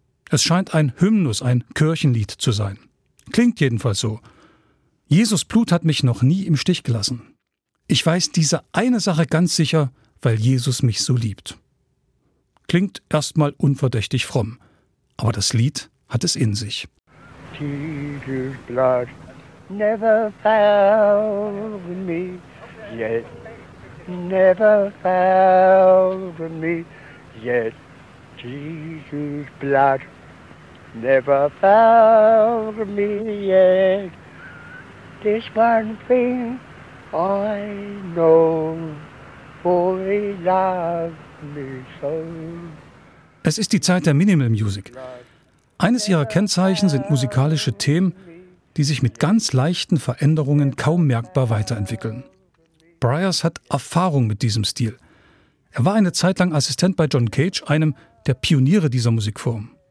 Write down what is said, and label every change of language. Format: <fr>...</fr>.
<de>Es scheint ein Hymnus, ein Kirchenlied zu sein. Klingt jedenfalls so. Jesus Blut hat mich noch nie im Stich gelassen. Ich weiß diese eine Sache ganz sicher, weil Jesus mich so liebt. Klingt erstmal unverdächtig fromm, aber das Lied hat es in sich.</de> <en>Jesus Blood never found me yet. Never found me yet. Jesus' blood never found me yet. This one thing I know, for he loved me so.</en> <de>Es ist die Zeit der Minimal Music. Eines ihrer Kennzeichen sind musikalische Themen, die sich mit ganz leichten Veränderungen kaum merkbar weiterentwickeln. Bryars hat Erfahrung mit diesem Stil. Er war eine Zeit lang Assistent bei John Cage, einem der Pioniere dieser Musikform.</de>